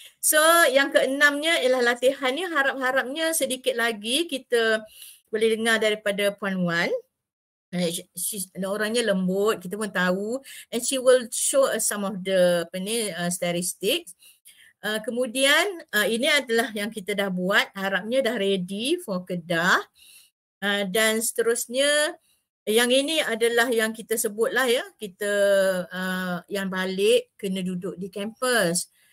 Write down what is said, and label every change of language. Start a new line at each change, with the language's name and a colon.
Malay: So yang keenamnya ialah latihan ni, harap-harapnya sedikit lagi kita boleh dengar daripada Puan Wan. Orangnya lembut, kita pun tahu.
English: And she will show us some of the statistics.
Malay: Kemudian ini adalah yang kita dah buat. Harapnya dah ready for Kedah. Dan seterusnya, yang ini adalah yang kita sebut lah ya. Kita yang balik kena duduk di kampus.